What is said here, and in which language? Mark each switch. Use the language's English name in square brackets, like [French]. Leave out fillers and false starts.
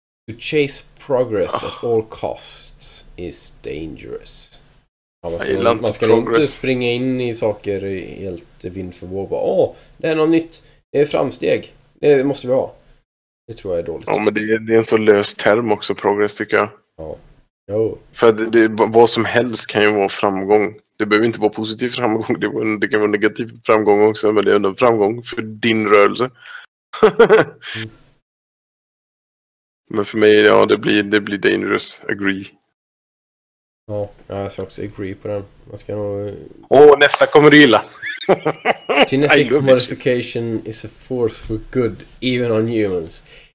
[English] To chase progress at all costs is dangerous. [Swedish] Ja, man ska inte springa in i saker helt vind för våg. Åh, det är något nytt. Det är framsteg. Det måste vi ha. Det tror jag är dåligt. Ja, men det är en så lös term också, progress, tycker jag. Ja. Jo. För det, vad som helst kan ju vara framgång. Det behöver inte vara positiv framgång, det kan vara negativ framgång också, men det är ändå framgång för din rörelse. Men för mig, ja, det blir [English] dangerous, agree. [Swedish] Ja, jag ska också agree på den. Man ska nog... Nästa kommer du gilla! [English] Genetic modification is a force for good, even on humans.